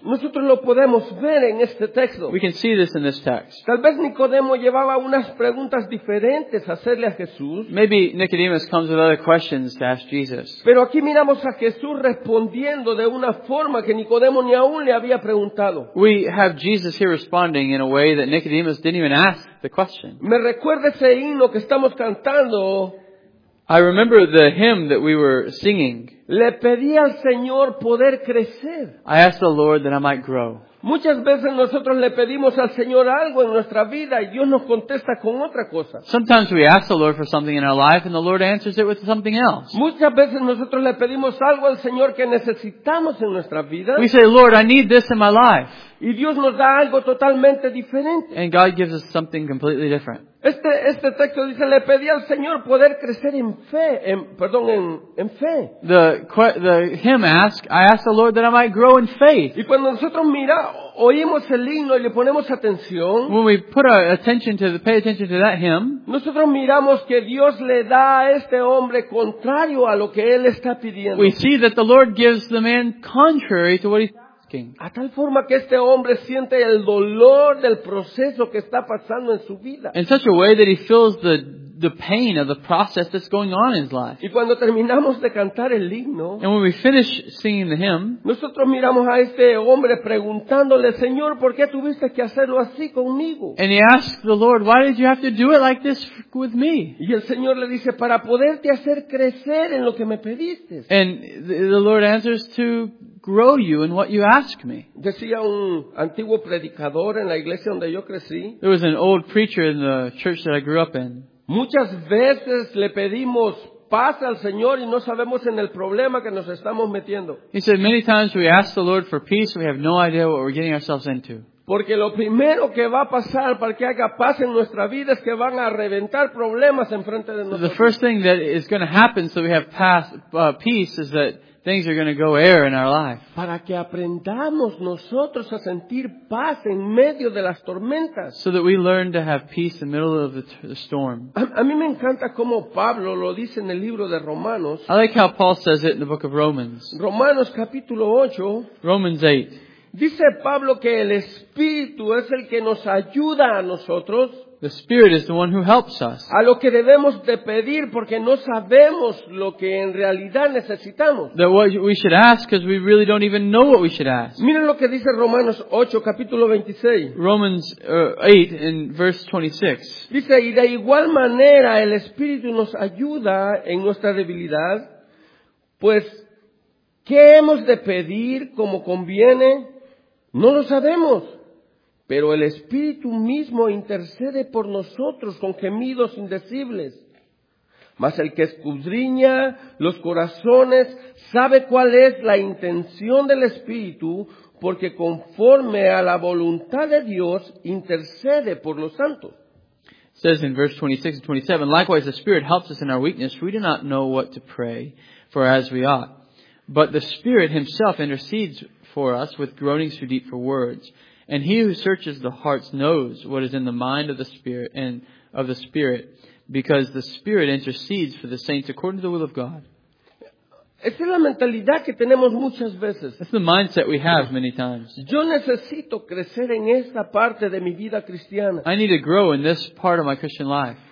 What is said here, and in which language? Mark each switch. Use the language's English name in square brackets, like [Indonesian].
[Spanish] Nosotros lo podemos ver en este texto. [English] We can see this in this text. [Spanish] Tal vez Nicodemo llevaba unas preguntas diferentes a hacerle a Jesús. [English] Maybe Nicodemo comes with other questions to ask Jesus. [Spanish] Pero aquí miramos a Jesús respondiendo de una forma que Nicodemo ni aún le había preguntado. [English] We have Jesus here responding in a way that Nicodemus didn't even ask the question. [Spanish] Me recuerda ese himno que estamos cantando. [English] I remember the hymn that we were singing. [Spanish] Le pedí al Señor poder crecer. [English] I asked the Lord that I might grow. [Spanish] Muchas veces nosotros le pedimos al Señor algo en nuestra vida y Dios nos contesta con otra cosa. [English] Sometimes we ask the Lord for something in our life and the Lord answers it with something else. [Spanish] Muchas veces nosotros le pedimos algo al Señor que necesitamos en nuestra vida. [English] We say, Lord, I need this in my life. [Spanish] Y Dios nos da algo totalmente diferente. [English] And God gives us something completely different. [Spanish] Este texto dice, le pedí al Señor poder crecer en fe. En fe. [English] The hymn asks, I asked the Lord that I might grow in faith. [Spanish] Y cuando nosotros oímos el himno y le ponemos atención, [English] when we put our attention to pay attention to that hymn, [Spanish] nosotros miramos que Dios le da a este hombre contrario a lo que él está pidiendo. [English] We see that the Lord gives the man contrary to what he's asking. [Spanish] A tal forma que este hombre siente el dolor del proceso que está pasando en su vida. [English] In such a way that he feels the the pain of the process that's going on in his life. [Spanish] Y cuando terminamos de cantar el himno, [English] and when we finish singing the hymn, [Spanish] nosotros miramos a este hombre preguntándole, Señor, ¿por qué tuviste que hacerlo así conmigo? [English] And he asks the Lord, why did you have to do it like this with me? [Spanish] Y el Señor le dice, para poderte hacer crecer en lo que me pediste. [English] And the Lord answers to grow you in what you ask me. [Spanish] Decía un antiguo predicador en la iglesia donde yo crecí. [English] There was an old preacher in the church that I grew up in. [Spanish] Muchas veces le pedimos paz al Señor y no sabemos en el problema que nos estamos metiendo. [English] He said many times we ask the Lord for peace, we have no idea what we're getting ourselves into. [Spanish] Porque lo primero que va a pasar para que haya paz en nuestra vida es que van a reventar problemas enfrente de nosotros. [English] The first thing that is going to happen so we have peace is that things are going to go air in our life. [Spanish] Para que aprendamos nosotros a sentir paz en medio de las tormentas. [English] So that we learn to have peace in the middle of the storm. [Spanish] A mí me encanta como Pablo lo dice en el libro de Romanos. [English] I like how Paul says it in the book of Romans. [Spanish] Romanos capítulo 8. [English] Romans 8. [Spanish] Dice Pablo que el Espíritu es el que nos ayuda a nosotros. [English] The Spirit is the one who helps us. [Spanish] A lo que debemos de pedir porque no sabemos lo que en realidad necesitamos. [English] That what we should ask because we really don't even know what we should ask. [Spanish] Miren lo que dice Romanos 8, capítulo 26. [English] Romans 8, in verse 26. [Spanish] Dice, y de igual manera el Espíritu nos ayuda en nuestra debilidad, pues, ¿qué hemos de pedir como conviene? No lo sabemos. Pero el Espíritu mismo intercede por nosotros con gemidos indecibles. Mas el que escudriña los corazones sabe cuál es la intención del Espíritu, porque conforme a la voluntad de Dios intercede por los santos. [English] It says in verse 26 and 27, likewise the Spirit helps us in our weakness. We do not know what to pray for as we ought. But the Spirit himself intercedes for us with groanings too deep for words. And he who searches the hearts knows what is in the mind of the Spirit and of the Spirit, because the Spirit intercedes for the saints according to the will of God. [Spanish] Esa es la mentalidad que tenemos muchas veces. [English] That's the mindset we have many times. [Spanish] Yo necesito crecer en esta parte de mi vida cristiana. [English] I need to grow in this part of my Christian life.